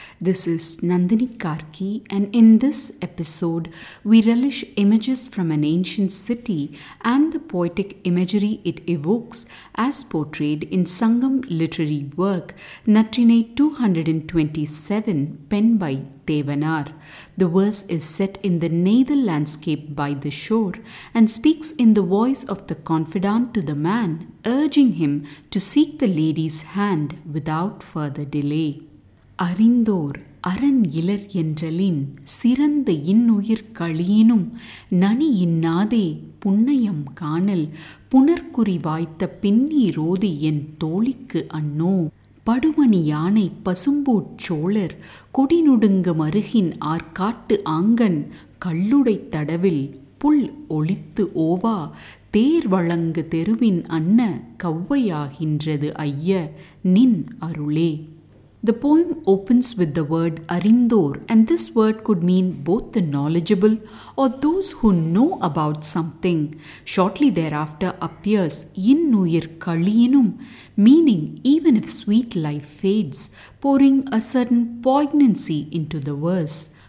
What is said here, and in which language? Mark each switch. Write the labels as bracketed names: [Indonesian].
[English] This is Nandini Karki, and in this episode, we relish images from an ancient city and the poetic imagery it evokes as portrayed in Sangam literary work Natrinai 227, penned by Thevanaar. The verse is set in the Neythal landscape by the shore and speaks in the voice of the confidante to the man, urging him to seek the lady's hand without further delay. [Tamil] அறிந்தோர் அரண் இலர் என்றலின் சிறந்த இன்னுயிர் களியினும் நனி இன்னாதே புன்னயம் காணல் புனர்குறி வாய்த்த பின்னீரோதி என் தோழிக்கு அண்ணோ படுமணி யானை பசும்பூச் சோழர் கொடிநுடுங்கு மருகின் ஆர்காட்டு ஆங்கன் கல்லுடை தடவில் புல் ஒளித்து ஓவா தேர் வழங்கு தெருவின் அன்ன கவ்வையாகின்றது ஐய நின் அருளே. [English] The poem opens with the word arindor, and this word could mean both the knowledgeable or those who know about something. Shortly thereafter appears [Tamil] innuyir kaliyinum, [English] meaning even if sweet life fades, pouring a certain poignancy into the verse.